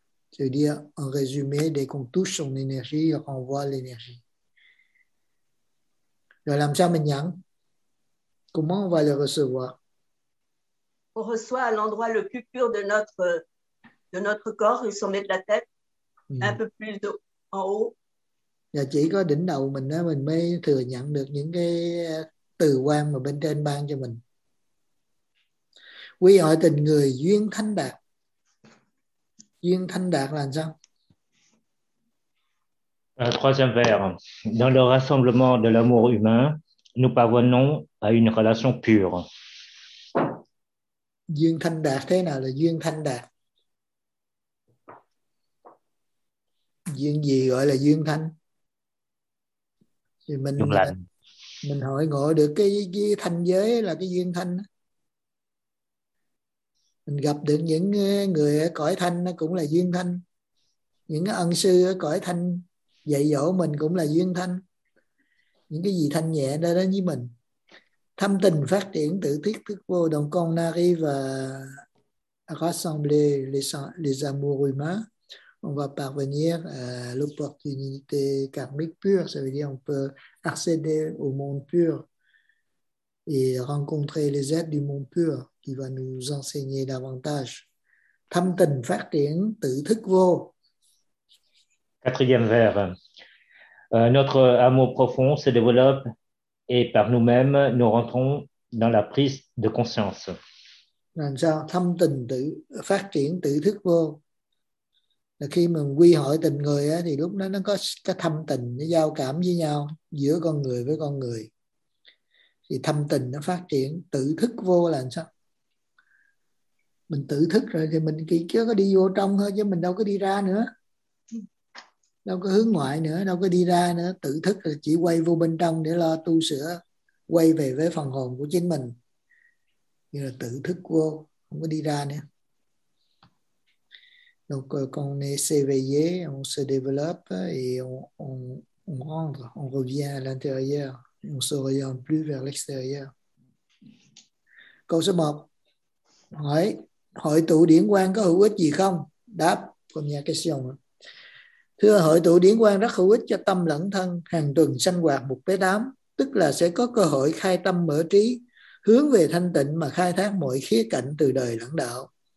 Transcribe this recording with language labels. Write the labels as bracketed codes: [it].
[fr] C'est-à-dire, en résumé, dès qu'on touche son énergie, il renvoie l'énergie. Le Lamsa Menyang, comment on va le recevoir? On reçoit à l'endroit le plus pur de notre corps, le sommet de la tête, un peu plus de, en haut. [vi] Là chỉ có đỉnh đầu mình đó, mình mới thừa nhận được những cái từ quang mà bên trên ban cho mình. Quy hội tình người duyên thanh đạt. Duyên thanh đạt là sao? [fr] Troisième vers. Dans le rassemblement de l'amour humain, nous parvenons à une relation pure. [vi] Duyên thanh đạt thế nào là duyên thanh đạt? Duyên gì gọi là duyên thanh? Thì mình hỏi ngộ được cái thanh giới là cái duyên thanh. Mình gặp được những người ở cõi thanh nó cũng là duyên thanh. Những ân sư ở cõi thanh dạy dỗ mình cũng là duyên thanh. Những cái gì thanh nhẹ đó đó với mình. Thâm tình phát triển tự thiết thức vô đồng con [fr] arrive à rassembler les amours humains, on va parvenir à l'opportunité karmique pure, ça veut dire on peut accéder au monde pur et rencontrer les êtres du monde pur qui va nous enseigner davantage. [vi] Thâm tình phát triển tự thức vô. [fr] Quatrième vers. Notre amour profond se développe et par nous-mêmes, nous rentrons dans la prise de conscience. [vi] Làm sao? Thâm tình tự phát triển tự thức vô. Là khi mình quy hội tình người á, thì lúc đó nó có cái thâm tình, nó giao cảm với nhau giữa con người với con người. Thì thâm tình nó phát triển tự thức vô là sao? mình tự thức rồi thì mình chỉ có đi vô trong thôi chứ mình đâu có đi ra nữa, đâu có hướng ngoại nữa, đâu có đi ra nữa. Tự thức là chỉ quay vô bên trong để lo tu sửa, quay về với phần hồn của chính mình, như là tự thức vô, không có đi ra nữa. [fr] Donc quand on est s'éveillé, on se développe et on rentre, on revient à l'intérieur, on se regarde plus vers l'extérieur. [vi] Câu số 1. Hỏi, hội tụ điển quang có hữu ích gì không? Đáp, con nhà cái xong. Thưa, hội tụ điển quang rất hữu ích cho tâm lẫn thân, hàng tuần sanh hoạt một bế đám, tức là sẽ có cơ hội khai tâm mở trí, hướng về thanh tịnh mà khai thác mọi khía cạnh từ đời lẫn đạo.